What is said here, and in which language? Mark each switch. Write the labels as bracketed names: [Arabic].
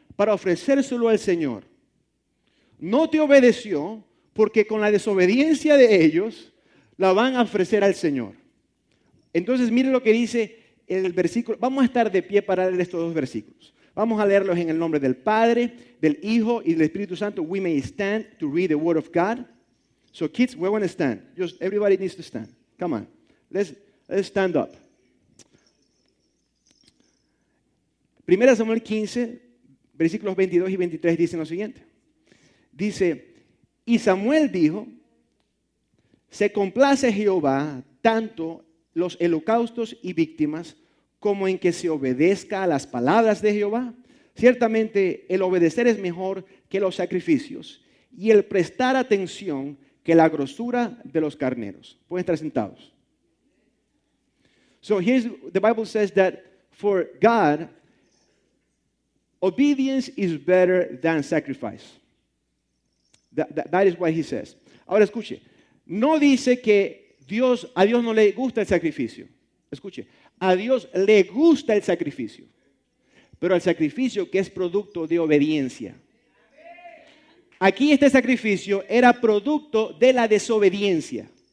[Spanish] Para ofrecérselo al Señor. No te obedeció, porque con la desobediencia de ellos, la van a ofrecer al Señor. Entonces, mire lo que dice el versículo. Vamos a estar de pie para leer estos dos versículos. Vamos a leerlos en el nombre del Padre, del Hijo y del Espíritu Santo. [English] We may stand to read the word of God. So kids, we want to stand. Just everybody needs to stand. Come on. Let's stand up. [Spanish] 1 Samuel 15, versículos 22 y 23 dicen lo siguiente. Dice, y Samuel dijo, se complace Jehová tanto los holocaustos y víctimas como en que se obedezca a las palabras de Jehová. Ciertamente el obedecer es mejor que los sacrificios y el prestar atención que la grosura de los carneros. Pueden estar sentados. [English] So here's the Bible says that for God, obedience is better than sacrifice. That is what he says. [Spanish] Ahora escuche, no dice que a Dios no le gusta el sacrificio. Escuche, a Dios le gusta el sacrificio, pero el sacrificio que es producto de obediencia. Aquí este sacrificio era producto de la desobediencia.